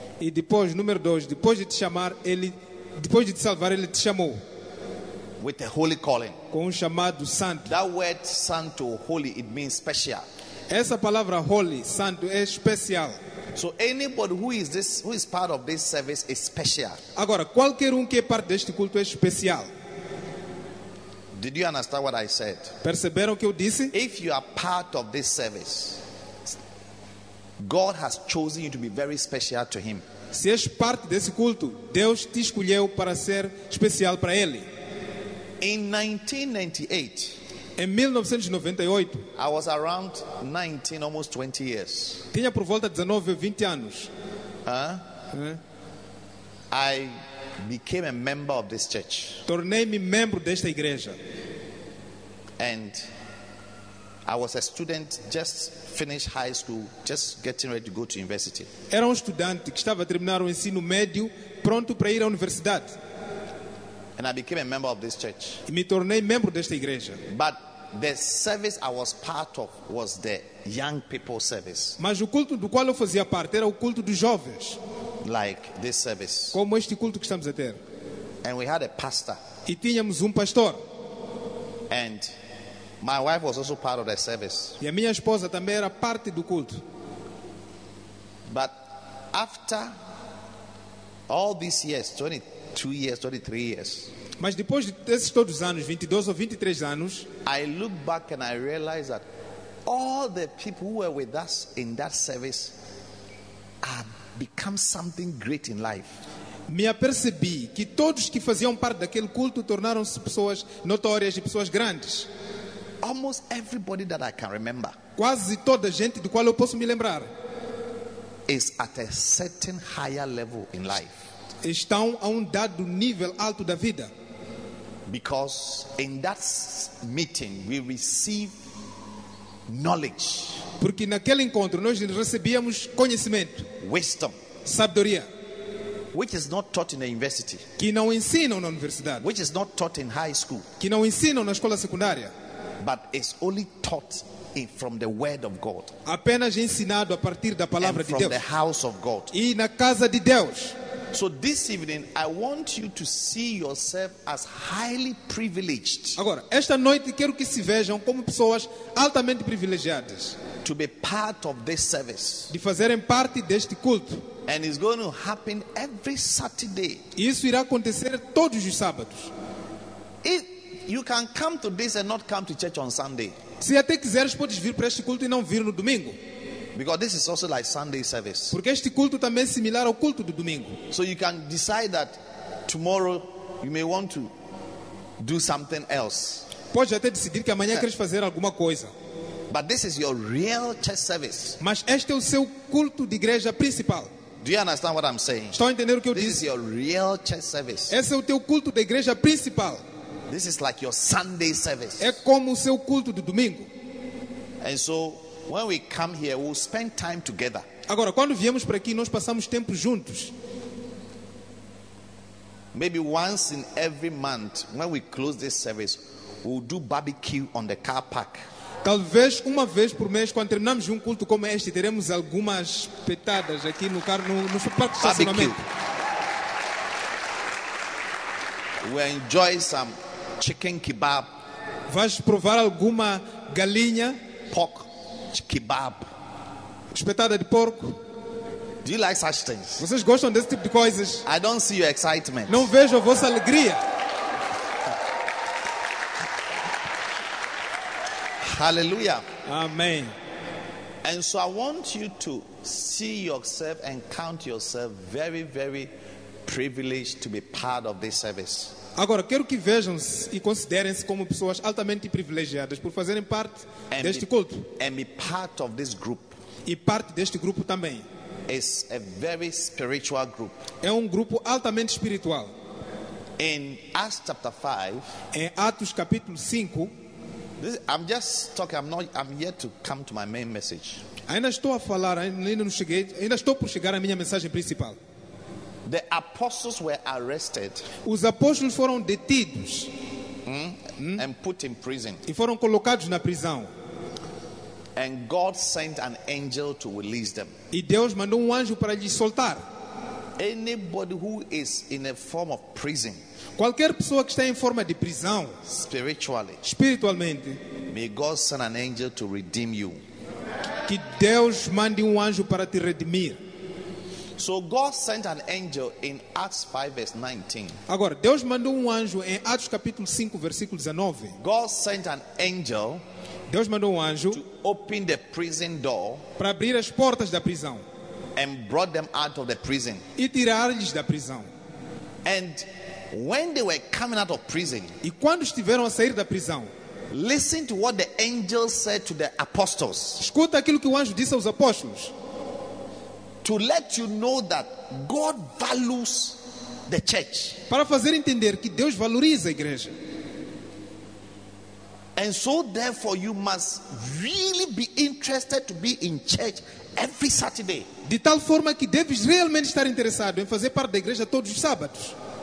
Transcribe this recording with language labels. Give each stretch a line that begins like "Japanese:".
Portuguese: E depois, número dois, depois de te chamar, ele, depois de te salvar, ele te chamou.
English: With a holy calling.
Portuguese: Com um chamado santo.
English: That word santo, holy, it means special.
Portuguese: Essa palavra holy, santo, é especial.
English: So anybody who is this, who is part of this service is special.
Portuguese: Agora, qualquer que é parte deste culto é especial.
English: Did you understand what I said?
Portuguese: Perceberam que eu disse?
English: If you are part of this service, God has chosen you to be very special to him.
Portuguese: Se és parte desse culto, Deus te escolheu para ser especial para ele.
English: In 1998,
Portuguese: em 1998,
English: I was around 19, almost 20 years.
Portuguese: Tinha por volta de 19 ou 20 anos.
English: I became a member of this church.
Portuguese: Tornei-me membro desta igreja.
English: And I was a student, just finished high school, just getting ready to go to university.
Portuguese: Era estudante que estava a terminar o ensino médio, pronto para ir à universidade.
English: And I became a member of this church.
Portuguese: E me tornei membro desta igreja.
English: But the service I was part of was the young people service.
Portuguese: Mas o culto do qual eu fazia parte era o culto dos jovens.
English: Like this service.
Portuguese: Como este culto que estamos a ter.
English: And we had a pastor.
Portuguese: E tínhamos pastor.
English: And my wife was also part of the service.
Portuguese: E a minha esposa também era parte do culto.
English: But after all these years, 22 years, 23 years.
Portuguese: Mas depois desses todos os anos, 22 ou 23 anos,
English: I look back and I realize that all the people who were with us in that service have become something great in life.
Portuguese: Me apercebi que todos que faziam parte daquele culto tornaram-se pessoas notórias e pessoas grandes.
English: Almost everybody that I can remember.
Portuguese: Quase toda a gente do qual eu posso me lembrar
English: is at a certain higher level in life.
Portuguese: Estão a dado nível alto da vida.
English: Because in that meeting we receive Knowledge.
Portuguese: Porque naquele encontro nós recebíamos conhecimento.
English: Wisdom.
Portuguese: Sabedoria.
English: Which is not taught in a university.
Portuguese: Que não ensinam na universidade.
English: Which is not taught in high school.
Portuguese: Que não ensinam na escola secundária.
English: But it's only taught from the word of God.
Portuguese: Apenas ensinado a partir da palavra de Deus.
English: And from the house of God.
Portuguese: E na casa de Deus.
English: So this evening I want you to see yourself as highly privileged.
Portuguese: Agora, esta noite quero que se vejam como pessoas altamente privilegiadas.
English: To be part of this service.
Portuguese: De fazerem parte deste culto.
English: And it's going to happen every Saturday.
Portuguese: Isso irá acontecer todos os sábados.
English: You can come to this and not come to church on Sunday.
Portuguese: Se até quiseres podes vir para este culto e não vir no domingo.
English: Because this is also like Sunday service.
Portuguese: Porque este culto também é similar ao culto do domingo.
English: So you can decide that tomorrow you may want to do something else.
Portuguese: Pode até decidir que amanhã queres fazer alguma coisa.
English: But this is your real church service.
Portuguese: Mas este é o seu culto de igreja principal.
English: Do you understand what I'm saying?
Portuguese: Estão a entender o que eu
English: this
Portuguese: disse?
English: This is your real church service.
Portuguese: Esse é o teu culto da igreja principal.
English: This is like your Sunday service.
Portuguese: É como o seu culto do domingo.
English: And so when we come here, we'll spend time together.
Portuguese: Agora, quando viemos para aqui, nós passamos tempo juntos.
English: Maybe once in every month, when we close this service, we'll do barbecue on the car park.
Portuguese: Talvez uma vez por mês, quando terminamos um culto como este, teremos algumas petadas aqui no carro, no parque de estacionamento.
English: We'll enjoy some chicken kebab.
Portuguese: Vais provar alguma galinha?
English: Pork. Kebab.
Portuguese: Espetada de porco.
English: Do you like such things?
Portuguese: Vocês gostam desse tipo de coisas?
English: I don't see your excitement.
Portuguese: Não vejo a vossa alegria.
English: Hallelujah.
Portuguese: Amém.
English: And so I want you to see yourself and count yourself very, very privileged to be part of this service.
Portuguese: Agora, quero que vejam-se e considerem-se como pessoas altamente privilegiadas por fazerem parte
English: and
Portuguese: deste culto.
English: Be part of this group.
Portuguese: E parte deste grupo também.
English: It's a very spiritual group.
Portuguese: É um grupo altamente espiritual.
English: In Acts chapter 5,
Portuguese: em Atos capítulo 5, ainda estou a falar, ainda não cheguei, ainda estou por chegar à minha mensagem principal.
English: The apostles were arrested.
Portuguese: Os apóstolos foram detidos.
English: And put in prison.
Portuguese: E foram colocados na prisão.
English: And God sent an angel to release them.
Portuguese: E Deus mandou um anjo para lhes soltar.
English: Anybody who is in a form of prison.
Portuguese: Qualquer pessoa que está em forma de prisão.
English: Spiritually.
Portuguese: Espiritualmente.
English: May God send an angel to redeem you.
Portuguese: Que Deus mande um anjo para te redimir.
English: So God sent an angel in Acts 5 verse 19.
Portuguese: Agora, Deus mandou um anjo em Atos capítulo 5 versículo 19.
English: God sent an angel.
Portuguese: Deus mandou um anjo
English: to open the prison door.
Portuguese: Para abrir as portas da prisão.
English: And brought them out of the prison.
Portuguese: E tirar-lhes da prisão.
English: And when they were coming out of prison.
Portuguese: E quando estiveram a sair da prisão.
English: Listen to what the angel said to the apostles.
Portuguese: Escuta aquilo que o anjo disse aos apóstolos.
English: To let you know that God values the church.
Portuguese: Para fazer entender que Deus valoriza a igreja.
English: And so therefore you must really be interested to be in church every Saturday.
Portuguese: De tal forma que deves realmente estar interessado em fazer parte da igreja todos os sábados.